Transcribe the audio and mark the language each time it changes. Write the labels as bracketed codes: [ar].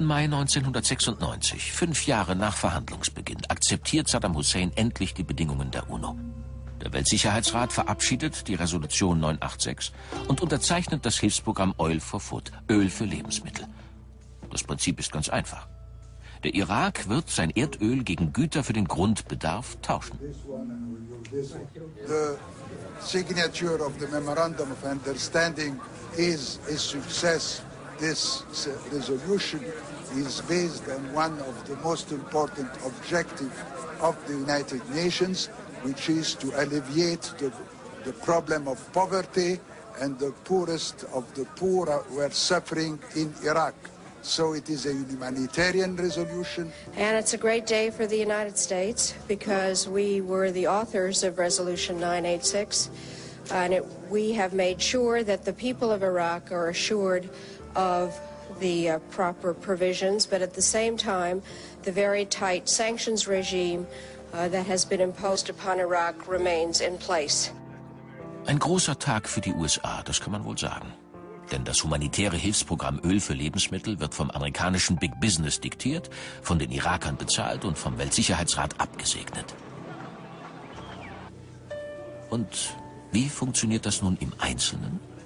[de] Mai 1996, 5 Jahre nach Verhandlungsbeginn, akzeptiert Saddam Hussein endlich die Bedingungen der UNO. Der Weltsicherheitsrat verabschiedet die Resolution 986 und unterzeichnet das Hilfsprogramm Oil for Food, Öl für Lebensmittel. Das Prinzip ist ganz einfach. Der Irak wird sein Erdöl gegen Güter für den Grundbedarf tauschen. [en] The signature of the memorandum of understanding is a success. This resolution is based on one of the most important objectives of the United Nations, which is to alleviate the problem of poverty, and the poorest of the poor were suffering in Iraq. So it is a humanitarian resolution. And it's a great day for the United States because we were the authors of Resolution 986, And it, we have made sure that the people of Iraq are assured of the proper provisions, but at the same time, the very tight sanctions regime that has been imposed upon Iraq remains in place. [de] Ein großer Tag für die USA, das kann man wohl sagen. Denn das humanitäre Hilfsprogramm Öl für Lebensmittel wird vom amerikanischen Big Business diktiert, von den Irakern bezahlt und vom Weltsicherheitsrat abgesegnet. Und wie funktioniert das nun im Einzelnen?